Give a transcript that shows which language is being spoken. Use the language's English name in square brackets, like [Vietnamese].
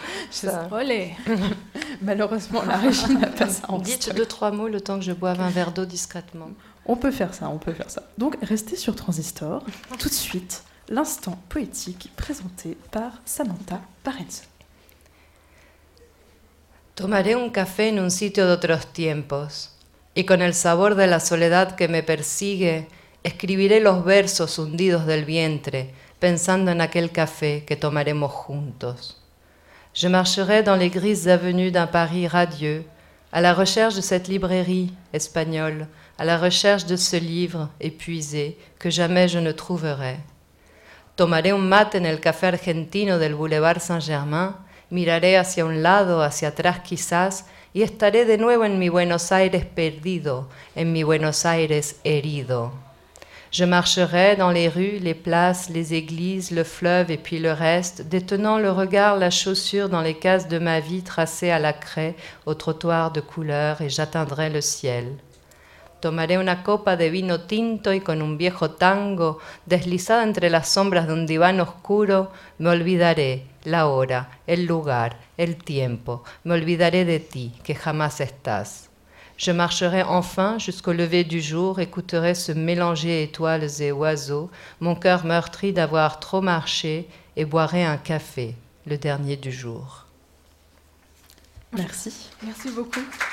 [French] ça. Olé. Malheureusement, la régie n'a pas ça en stock. Dites deux, trois mots le temps que je boive un verre d'eau discrètement. On peut faire ça. Donc, restez sur Transistor. Tout de suite, l'instant poétique présenté par Samantha Parenzo. [Spanish] Tomaré un café en un sitio de otros tiempos y con el sabor de la soledad que me persigue... Escribiré los versos hundidos del vientre, pensando en aquel café que tomaremos juntos. [French] Je marcherai dans les grises avenues d'un Paris radieux, à la recherche de cette librairie espagnole, à la recherche de ce livre épuisé que jamais je ne trouverai. [Spanish] Tomaré un mate en el café argentino del boulevard Saint-Germain, miraré hacia un lado, hacia atrás quizás, y estaré de nuevo en mi Buenos Aires perdido, en mi Buenos Aires herido. [French] Je marcherai dans les rues, les places, les églises, le fleuve et puis le reste, détenant le regard, la chaussure dans les cases de ma vie tracées à la craie, au trottoir de couleur, et j'atteindrai le ciel. [Spanish] Tomaré una copa de vino tinto y con un viejo tango, deslizada entre las sombras de un diván oscuro, me olvidaré la hora, el lugar, el tiempo, me olvidaré de ti, que jamás estás. [French] Je marcherai enfin jusqu'au lever du jour, écouterai se mélanger étoiles et oiseaux, mon cœur meurtri d'avoir trop marché, et boirai un café, le dernier du jour. Merci. Merci beaucoup.